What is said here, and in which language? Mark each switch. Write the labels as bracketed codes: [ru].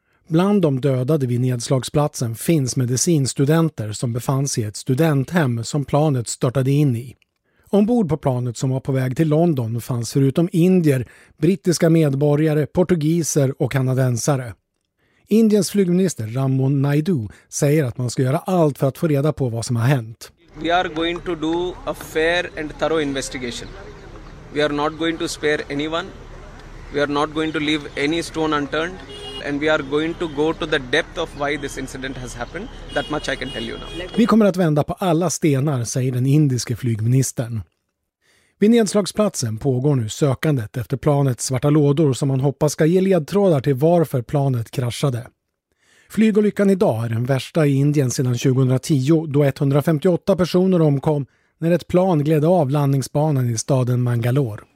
[sv] Bland de dödade vid nedslagsplatsen finns medicinstudenter som befann sig i ett studenthem som planet störtade in i. Ombord på planet som var på väg till London fanns förutom indier, brittiska medborgare, portugiser och kanadensare. Indiens flygminister Ramon Naidu säger att man ska göra allt för att få reda på vad som har hänt. [en] We are going to do a fair and thorough investigation. We are not going to spare anyone. We are not going to leave any stone unturned. And we are going to go to the depth of why this incident has happened. That much I can tell you now. [sv] Vi kommer att vända på alla stenar, säger den indiske flygministern. Vid nedslagsplatsen pågår nu sökandet efter planets svarta lådor som man hoppas ska ge ledtrådar till varför planet kraschade. Flygolyckan idag är den värsta i Indien sedan 2010 då 158 personer omkom när ett plan gled av landningsbanan i staden Mangalore.